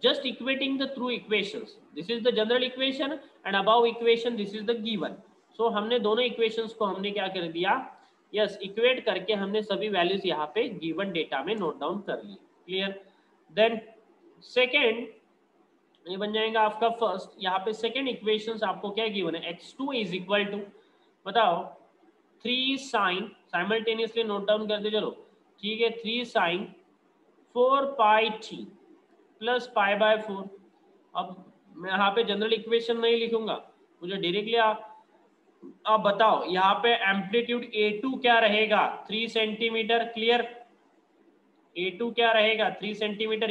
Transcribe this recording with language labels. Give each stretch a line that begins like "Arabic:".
English: Just equating the through equations. This is the general equation and above equation, this is the given.
Hindi: So, हमने दोनों equations को हमने क्या कर दिया? Yes, equate करके हमने सभी values यहाँ पे given data में note down कर लिए. Clear? Then, second, ये बन जाएगा आपका first. यहाँ पे second equations आपको क्या given है?
English: x2 is equal to, बताओ, 3 sine, simultaneously note down
Hindi: करते चलो. ठीक है, 3 sine, 4πt plus pi by 4. अब मैं यहाँ पे जनरल इक्वेशन नहीं लिखूंगा, मुझे डायरेक्टली आप बताओ यहाँ पे एम्पलीट्यूड a2 क्या रहेगा? 3 सेंटीमीटर. क्लियर? a2 क्या रहेगा? 3 सेंटीमीटर.